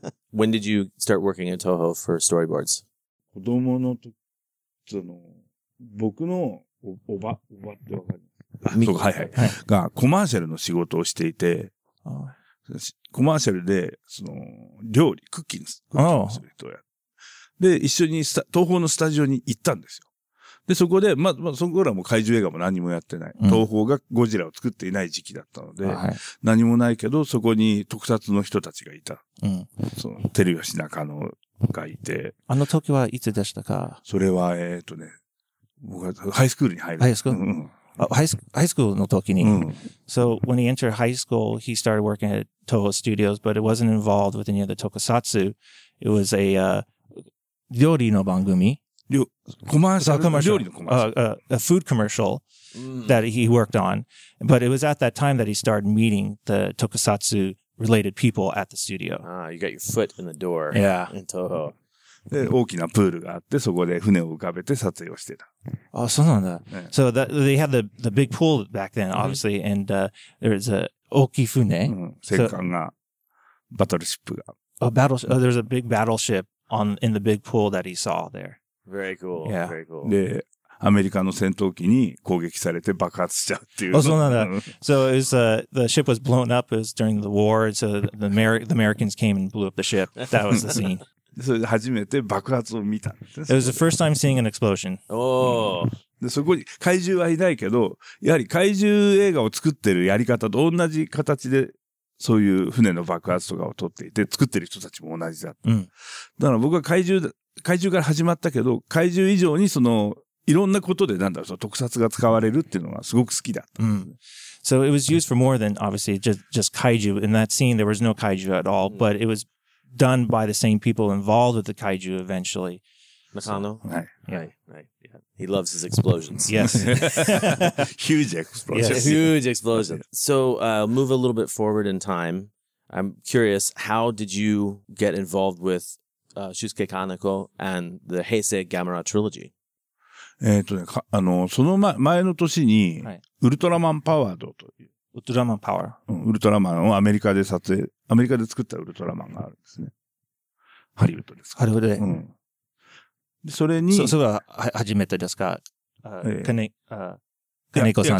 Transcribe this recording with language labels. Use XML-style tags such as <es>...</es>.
<en>When did you start working at Toho for storyboards?</en> <ja>子供の時、その、僕のおばってわかる。そうか、はいはい。が、コマーシャルの仕事をしていて、コマーシャルで、その、料理、クッキングする人をやる。で、一緒に東宝のスタジオに行ったんですよ。で、そこで、まあ、そこからも怪獣映画も何もやってない。東宝がゴジラを作っていない時期だったので、うん、何もないけど、そこに特撮の人たちがいた。うん。その、テルヨシナカノがいて。あの時はいつでしたか？それは、僕はハイスクールに入る。ハイスクール、うん。</ja> <en>High school</en> <ja>の時に、</ja> <en>うん、so when he entered high school, he started working at Toho Studios, but it wasn't involved with any of the tokusatsu. It was a</en> <ja>料理の番組、コマーシャル、</ja> <en>food commercial、that he worked on. But it was at that time that he started meeting the tokusatsu related people at the studio. Ah, you got your foot in the door, yeah, in Toho.</en> <ja>で、大きなプールがあって、そこで船を浮かべて撮影をしてた。あ、そうなんだ。</ja> <en>ね、so, that, they had the big pool back then, obviously,、うん、and, there was a</en> <ja>大きい船。</ja> <en>うん、</en> <ja>戦艦が、バトルシップが。</ja> <en>A battleship,、oh, there's a big battleship on, in the big pool that he saw there. Very cool. Yeah. Very cool.</en> <ja>で、アメリカの戦闘機に攻撃されて爆発しちゃうっていう。あ、そうなんだ。</ja> <en>so, it was, the ship was blown up, it was during the war, so the Americans came and blew up the ship. That was the scene.</en> <ja>それで初めて爆発を見た。</ja> <en>It was the first time seeing an explosion.</en> <ja>で、そこに怪獣はいないけど、やはり怪獣映画を作ってるやり方と同じ形で、そういう船の爆発とかを撮っていて、作ってる人たちも同じだった。うん、だから僕は怪獣から始まったけど、怪獣以上にその、いろんなことでなんだろう、その特撮が使われるっていうのがすごく好きだった。</ja> <en>うん、so it was used for more than obviously just 怪獣。 In that scene, there was no 怪獣 at all, but it was done by the same people involved with the kaiju eventually. Masano? Right. He loves his explosions. Yes. Huge explosions. Yes. Huge explosion. So, move a little bit forward in time. I'm curious, how did you get involved with Shusuke Kaneko and the Heisei Gamera trilogy?</en> <ja>その前の年に、ウルトラマンパワードという。ウルトラマンパワー、うん。ウルトラマンをアメリカで撮影、アメリカで作ったウルトラマンがあるんですね。ハリウッドですか。ハリウッドで。うん。で、それに。それは初めてですか、金子さん。</ja>